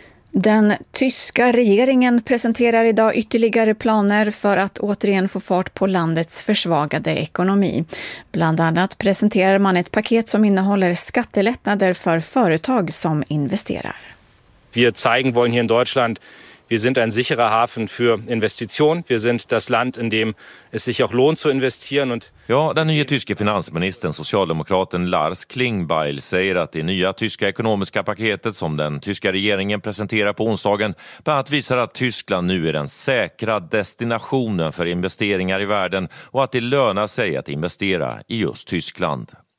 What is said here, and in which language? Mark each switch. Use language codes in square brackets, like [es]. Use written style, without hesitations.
[sv] Den tyska regeringen presenterar idag ytterligare planer för att återigen få fart på landets försvagade ekonomi. Bland annat presenterar man ett paket som innehåller skattelättnader för företag som investerar. [de] Vi zeigen wollen hier in Deutschland, Wir sind ein sicherer Hafen für Investitionen. Wir sind das Land, in dem es sich auch lohnt zu investieren. Und [sv] ja, den nya tyske finansministern, socialdemokraten Lars Klingbeil, säger att det nya tyska ekonomiska paketet som den tyska regeringen presenterar på onsdagen bland annat visar att Tyskland nu är den säkra destinationen för investeringar i världen och att det lönar sig att investera i just Tyskland.